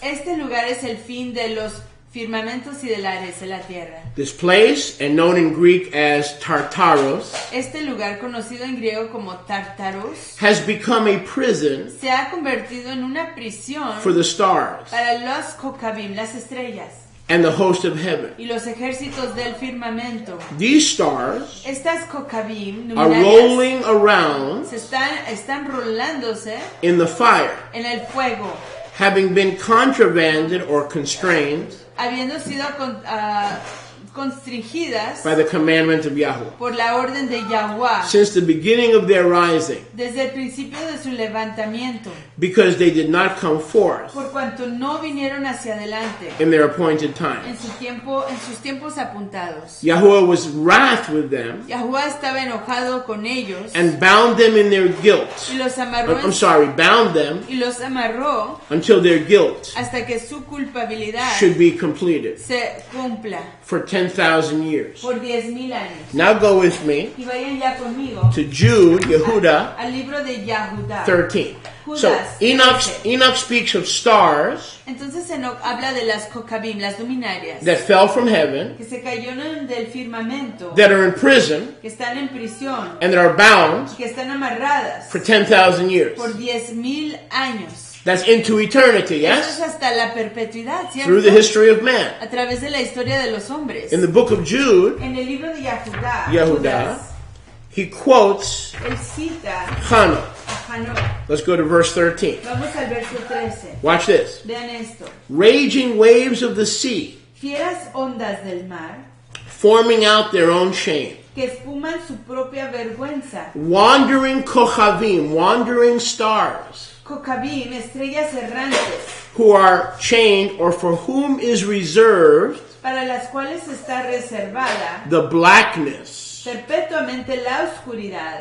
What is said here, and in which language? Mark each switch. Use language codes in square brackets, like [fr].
[es] Este lugar es el fin de los firmamentos y de la res, la tierra. [en] This place, and known in Greek as Tartaros, [es] este lugar conocido en griego como Tartaros, [en] has become a prison. [es] Se ha convertido en una prisión [en] for the stars. [es] Para los kokavim, las estrellas. [en] And the host of heaven. [es] Y los ejércitos del firmamento. [en] These stars. [es] Estas kokavim, [en] are rolling around. [es] Se están rolándose. [en] In the fire. [es] En el fuego. [en] Having been contrabanded or constrained. [es] Habiendo sido constringidas. [en] By the commandment of Yahweh. [es] Por la orden de Yahweh. [en] Since the beginning of their rising. [es] Desde el principio de su levantamiento. [en] Because they did not come forth. [es] Por cuanto no vinieron hacia adelante. [en] In their appointed time. [es] En su tiempo, en sus tiempos apuntados. [en] Yahweh was wrath with them. [es] Yahweh estaba enojado con ellos. [en] And bound them in their guilt. [es] Y los amarró. [en] I'm sorry, bound them. [es] Y los amarró. [en] Until their guilt. [es] Hasta que su culpabilidad. [en] Should be completed. [es] Se cumpla. [en] For 10,000 years. [es] Por 10,000 años. [en] Now go with me. [es] Y vayan ya conmigo. [en] To Jude, Yehuda. [es] Al libro de Yehuda. [en] 13. [es] Judas, [en] so Enoch speaks of stars. [es] Entonces Enoch habla de las kokavim, las luminarias. [en] That fell from heaven. [es] Que se cayeron del firmamento. [en] That are in prison. [es] Que están en prisión. [en] And that are bound. [es] Que están amarradas. [en] For 10,000 years. [es] Por 10,000 años. [en] That's into eternity, yes? [es] Eso es hasta la perpetuidad, ¿cierto? [en] Through the history of man. [es] A través de la historia de los hombres. [en] In the book of Jude. [es] En el libro de Yehuda. [en] Yehuda. He quotes. [es] Él cita. [en] Hanukkah. Let's go to verse [es] 13. Vamos al verso 13. [en] Watch this. [es] Vean esto. [en] Raging waves of the sea. [es] Fieras ondas del mar. [en] Forming out their own shame. [es] Que espuman su propia vergüenza. [en] Wandering kochavim, wandering stars. [es] Kochavim, estrellas errantes. [en] Who are chained or for whom is reserved. [es] Para las cuales está reservada. [en] The blackness. [es] Perpetuamente la oscuridad